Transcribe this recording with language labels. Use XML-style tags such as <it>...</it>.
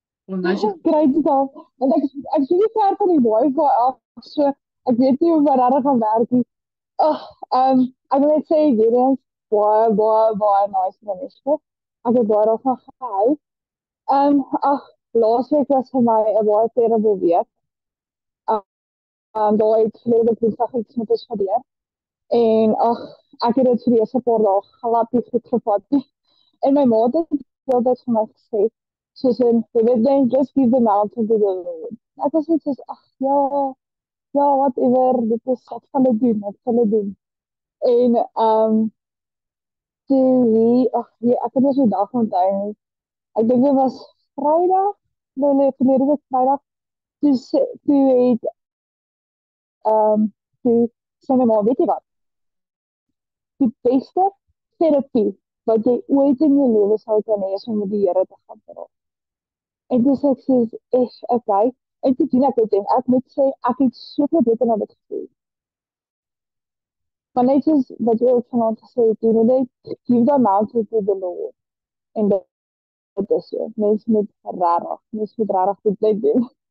<af>Krijg het al, want ek sien nie ver van die wifi af, so ek weet nie hoe dit reg gaan werk nie. Ek wil net sê, weer eens, baie, baie, baie nice van Reneshke. Ek het baie daarvan gehou. Laasweek was vir my 'n baie terrible week. Daar het vlede woensdag iets met ons gebeur. En ek het dit vir die eerste paar dae glad nie goed gevat nie. En my maat het altyd vir my gesê, soos in, jy weet dan,</af> <en>just give the mountain to the Lord.</en> <af>Ek was net soos, ag ja, ja, whatever, dit is, ek gaan dit doen, ek gaan dit doen. En, toe hier, ag, nee, ek het nie so dag onthou nie. Ek dink dit was Vrydag, nee, verlede week Vrydag, toe het, toe sê my ma, weet jy wat, die beste terapie wat jy ooit in jou lewe sal kan hê, is om met die Here te gaan praat. En dis ek sê, is ek okay. En toe doen ek dit, en ek moet sê, ek het soveel beter na dit gevoel. Maar net soos wat jy ook vanavond gesê het, doen dit,</af> <en>give the mountain to the Lord.</en> <af>En dit is so, mens moet rarig dit blijf doen.</af>